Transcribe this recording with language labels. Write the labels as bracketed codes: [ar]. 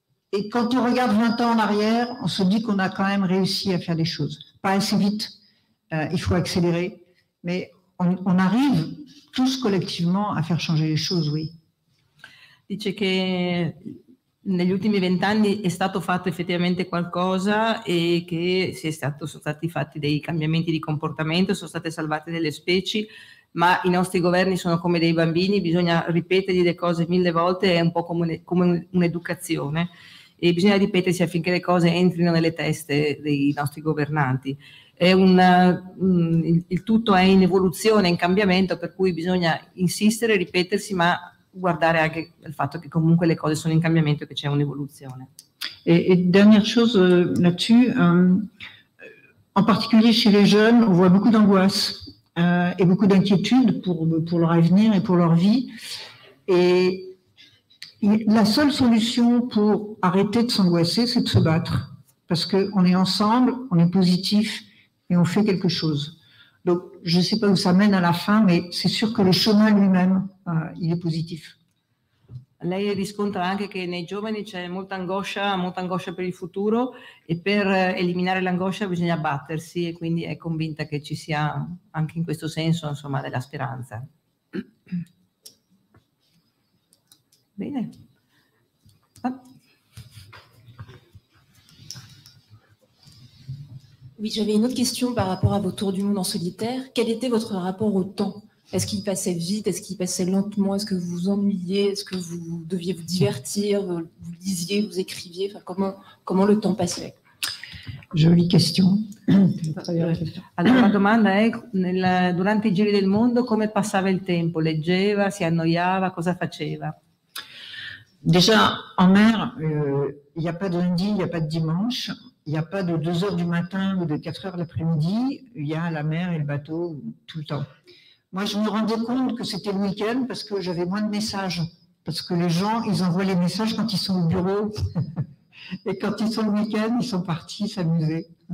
[fr] Et quand on regarde 20 ans en arrière, on se dit qu'on a quand même réussi à faire des choses. Pas assez vite, il faut accélérer, mais on arrive tous collectivement à faire changer les choses, oui. [it] Dice che negli ultimi 20 anni è stato fatto effettivamente qualcosa e che sono stati fatti dei cambiamenti di comportamento, sono state salvate delle specie. Ma i nostri governi sono come dei bambini, bisogna ripetergli le cose mille volte, è un po' come un'educazione e bisogna ripetersi affinché le cose entrino nelle teste dei nostri governanti. È il tutto è in evoluzione, in cambiamento, per cui bisogna insistere, ripetersi, ma guardare anche il fatto che comunque le cose sono in cambiamento e che c'è un'evoluzione. [fr] E dernière chose là-dessus, en particulier chez les jeunes, on voit beaucoup d'angoisse. Et beaucoup d'inquiétude pour leur avenir et pour leur vie. Et la seule solution pour arrêter de s'angoisser, c'est de se battre. Parce qu'on est ensemble, on est positif et on fait quelque chose. Donc, je ne sais pas où ça mène à la fin, mais c'est sûr que le chemin lui-même, il est positif. [it] Lei riscontra anche che nei giovani c'è molta angoscia per il futuro e per eliminare l'angoscia bisogna battersi e quindi è convinta che ci sia anche in questo senso insomma della speranza. Bene. [fr] Oui, j'avais une autre question par rapport à vos tours du monde en solitaire. Quel était votre rapport au temps? Est-ce qu'il passait vite? Est-ce qu'il passait lentement? Est-ce que vous vous ennuyiez? Est-ce que vous deviez vous divertir? Vous lisiez, vous écriviez? Enfin, comment le temps passait? Jolie question. [it] Allora, la domanda è, durante i giri del mondo, come passava il tempo? Leggeva, si annoiava, cosa faceva? [fr] Déjà, en mer, il n'y a pas de lundi, il n'y a pas de dimanche. Il n'y a pas de 2h du matin ou de 4h l'après-midi. Il y a la mer et le bateau tout le temps. Moi, je me rendais compte que c'était le week-end parce que j'avais moins de messages. Parce que les gens, ils envoient les messages quand ils sont au bureau. Et quand ils sont le week-end, ils sont partis s'amuser.